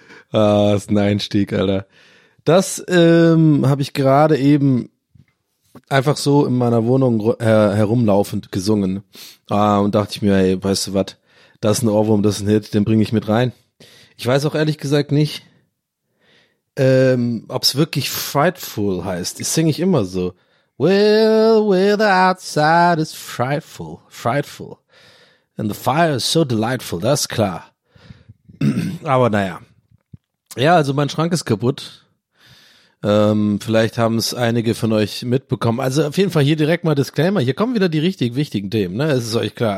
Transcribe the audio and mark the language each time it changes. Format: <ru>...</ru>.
<de>Ah, ist ein Einstieg, Alter. Das habe ich gerade eben einfach so in meiner Wohnung herumlaufend gesungen. Und dachte ich mir, ey, weißt du was, das ist ein Ohrwurm, das ist ein Hit, den bringe ich mit rein. Ich weiß auch ehrlich gesagt nicht, ob es wirklich frightful heißt. Das singe ich immer so.</de> <en>Well, where the outside is frightful, frightful. And the fire is so delightful,</en> <de>das ist klar. Aber naja. Ja, also mein Schrank ist kaputt. Vielleicht haben es einige von euch mitbekommen. Also auf jeden Fall hier direkt mal Disclaimer. Hier kommen wieder die richtig wichtigen Themen, ne? Es ist euch klar.</de>